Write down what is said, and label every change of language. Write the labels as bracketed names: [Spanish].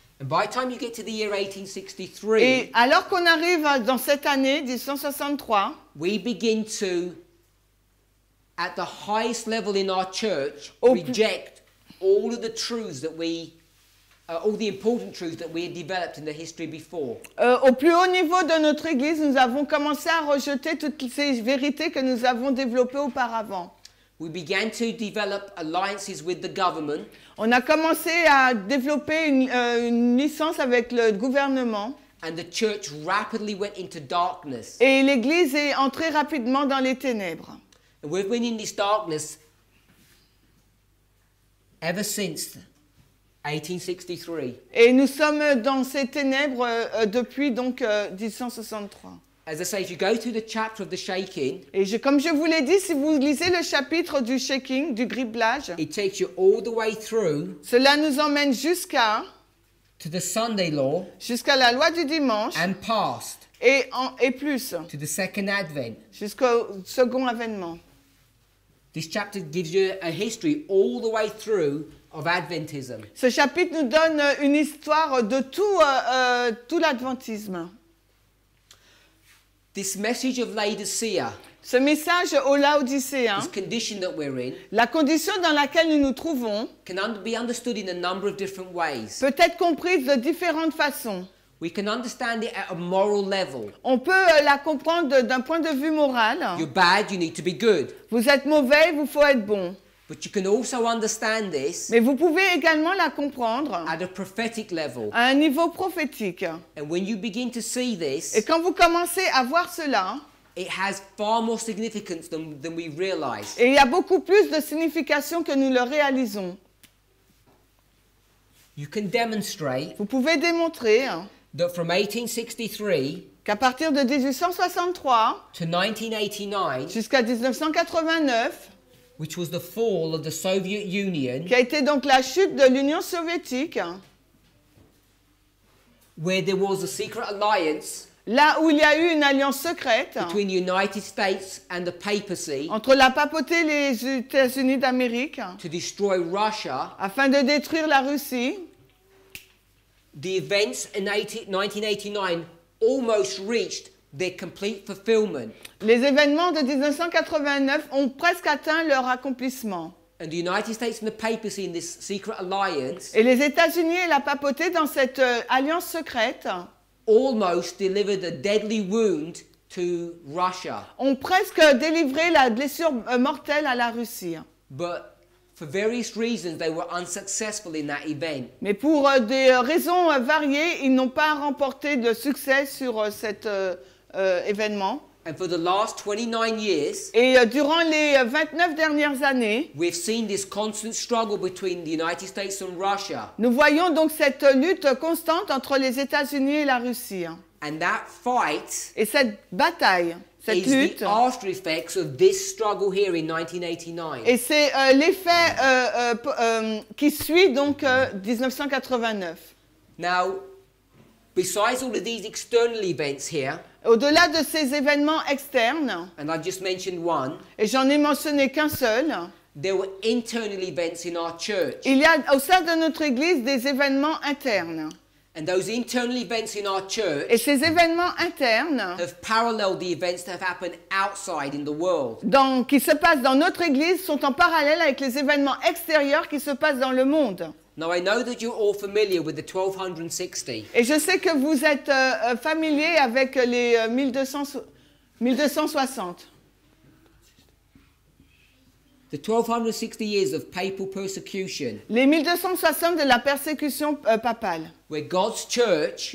[English] And by the time you get to the year 1863, [French] et alors qu'on arrive dans cette année 1863, [English] we begin to, at the highest level in our church, reject all of the truths that we, all the important truths that we had developed in the history before. [French] Au plus haut niveau de notre église, nous avons commencé à rejeter toutes ces vérités que nous avons développées auparavant. [English] We began to develop alliances with the government. [French] On a commencé à développer une licence avec le gouvernement. [English] And the church rapidly went into darkness. [French] Et l'église est entrée rapidement dans les ténèbres. [English] And we've been in this darkness ever since 1863. [French] Et nous sommes dans ces ténèbres depuis donc 1863. [English] As I say, if you go through the chapter of the shaking, [French] et comme je vous l'ai dit, si vous lisez le chapitre du shaking, du criblage, [English] it takes you all the way through. [French] Cela nous emmène jusqu'à. [English] To the Sunday law. [French] Jusqu'à la loi du dimanche. [English] And past. [French] Et plus. [English] To the second advent. [French] Jusqu'au second avènement. [English] This chapter gives you a history all the way through of Adventism. [French] Ce chapitre nous donne une histoire de tout l'adventisme. [English] This message of Laodicea, [French] ce message aux Laodicéens, [English] this condition that we're in, [French] la condition dans laquelle nous nous trouvons, [English] can be understood in a number of different ways. [French] Peut être comprise de différentes façons. [English] We can understand it at a moral level. [French] On peut la comprendre d'un point de vue moral. [English] You're bad, you need to be good. [French] Vous êtes mauvais, il vous faut être bon. [English] But you can also understand this. [French] Mais vous pouvez également la comprendre. [English] At a prophetic level. [French] À un niveau prophétique. [English] And when you begin to see this. [French] Et quand vous commencez à voir cela. [English] It has far more significance than we realize. [French] Et il y a beaucoup plus de signification que nous le réalisons. [English] You can demonstrate. [French] Vous pouvez démontrer. [English] That from 1863. [French] Qu'à partir de 1863. [English] To 1989. [French] Jusqu'à 1989. [English] Which was the fall of the Soviet Union, [French] qui a été donc la chute de l'Union soviétique, [English] where there was a secret alliance, [French] là où il y a eu une alliance secrète, [English] between the United States and the papacy, [French] entre la papauté et les États-Unis d'Amérique, [English] to destroy Russia, [French] afin de détruire la Russie. [English] The events in 1989 almost reached their complete fulfillment. [French] Les événements de 1989 ont presque atteint leur accomplissement. [English] And the United States and the papacy in this secret alliance. [French] Et les États-Unis et la papauté dans cette alliance secrète. [English] Almost delivered a deadly wound to Russia. [French] Ont presque délivré la blessure mortelle à la Russie. [English] But for various reasons, they were unsuccessful in that event. [French] Mais pour des raisons variées, ils n'ont pas remporté de succès sur cette événement. [English] And for the last 29 years, [French] et durant les 29 dernières années, [English] we've seen this constant struggle between the United States and Russia. [French] Nous voyons donc cette lutte constante entre les États-Unis et la Russie. [English] And that fight, [French] et cette bataille, cette lutte, [English] the after effects of this struggle here in 1989. [French] Et c'est l'effet qui suit donc 1989. [English] Now, besides all of these external events here, [French] au-delà de ces événements externes, [English] and I've just mentioned one, [French] et j'en ai mentionné qu'un seul, [English] there were internal events in our church. [French] Il y a au sein de notre église des événements internes. [English] And those internal events in our church, [French] et ces événements internes, [English] have paralleled the events that have happened outside in the world. [French] Donc, qui se passent dans notre église sont en parallèle avec les événements extérieurs qui se passent dans le monde. [English] Now I know that you're all familiar with the 1260. [French] Et je sais que vous êtes familier avec les 1260. [English] The 1260 years of papal persecution. [French] Les 1260 de la persécution papale. [English] Where God's church,